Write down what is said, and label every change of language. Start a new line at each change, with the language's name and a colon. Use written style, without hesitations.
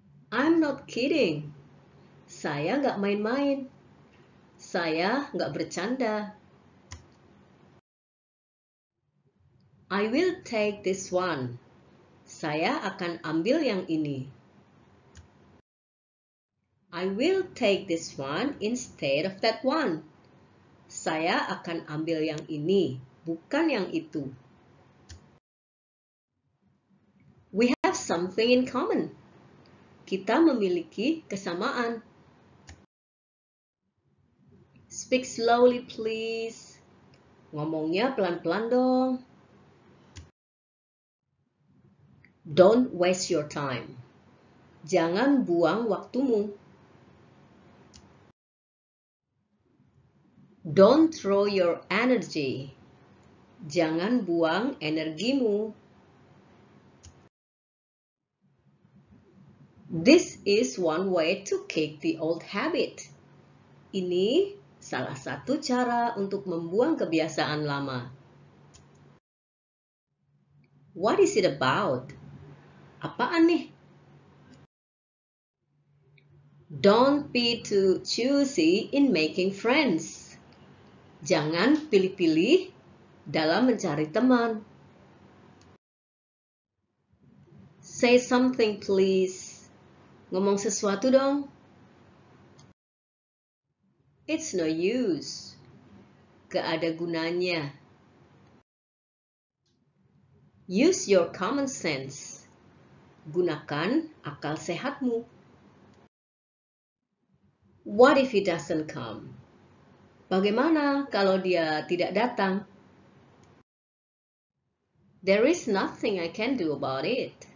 English: I'm not kidding.
Indonesian: Saya nggak main-main. Saya nggak bercanda.
English: I will take this one.
Indonesian: Saya akan ambil yang ini.
English: I will take this one instead of that one.
Indonesian: Saya akan ambil yang ini, bukan yang itu.
English: We have something in common.
Indonesian: Kita memiliki kesamaan.
English: Speak slowly, please.
Indonesian: Ngomongnya pelan-pelan dong.
English: Don't waste your time.
Indonesian: Jangan buang waktumu.
English: Don't throw your energy.
Indonesian: Jangan buang energimu.
English: This is one way to kick the old habit.
Indonesian: Ini salah satu cara untuk membuang kebiasaan lama.
English: What is it about?
Indonesian: Apaan nih?
English: Don't be too choosy in making friends.
Indonesian: Jangan pilih-pilih dalam mencari teman.
English: Say something, please.
Indonesian: Ngomong sesuatu dong.
English: It's no use.
Indonesian: Gak ada gunanya.
English: Use your common sense.
Indonesian: Gunakan akal sehatmu.
English: What if he doesn't come?
Indonesian: Bagaimana kalau dia tidak datang?
English: There is nothing I can do about it.